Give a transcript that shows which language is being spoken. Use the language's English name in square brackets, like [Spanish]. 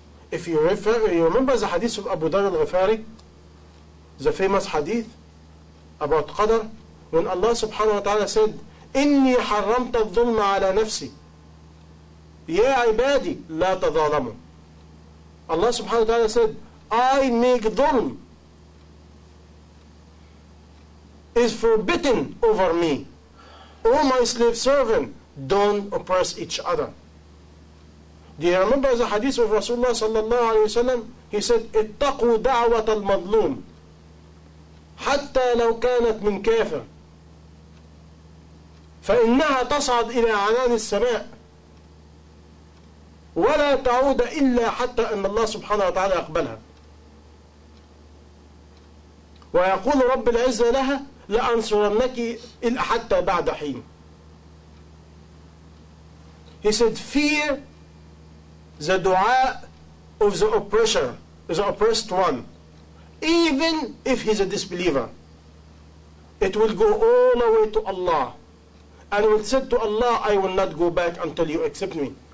[English] If you refer, you remember the hadith of Abu Dharr al-Ghifari, the famous hadith about Qadr, when Allah subhanahu wa ta'ala said, [Arabic] إِنِّي حَرَّمْتَ الظُّلْمَ عَلَى نَفْسِي يَا عِبَادِي لَا تَظَالَمُ. [English] Allah subhanahu wa ta'ala said, I make dhulm is forbidden over me. O my slave servant, don't oppress each other. Do you remember the hadith of Rasulullah sallallahu alayhi wa sallam? He said, [Arabic] اتقوا دعوة المظلوم حتى لو كانت من كافر فإنها تصعد إلى عنان السماء ولا تعود إلا حتى أن الله سبحانه وتعالى يقبلها ويقول رب العزة لها لأنصرنك حتى بعد حين. [English] He said, fear the dua of the oppressor, the oppressed one, even if he's a disbeliever. It will go all the way to Allah. And will said to Allah, I will not go back until you accept me.